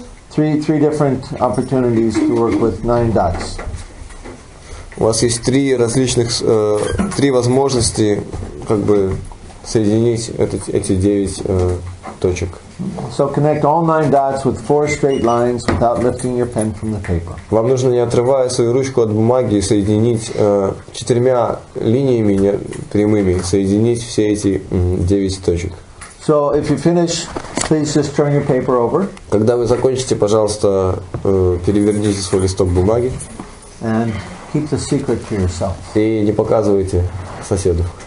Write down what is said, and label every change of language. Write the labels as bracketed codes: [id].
[en] Three different opportunities to work with nine dots. [ru] У вас есть три различных, три возможности, как бы, соединить эти девять точек. [en] So connect all nine dots with four straight lines without lifting your pen from the paper. [ru] Вам нужно, не отрывая свою ручку от бумаги, соединить четырьмя линиями прямыми, соединить все эти девять точек. [en] So if you finish, please just turn your paper over. [ru] Когда вы закончите, пожалуйста, переверните свой листок бумаги. [en] And keep the secret to yourself. [ru] И не показывайте соседу.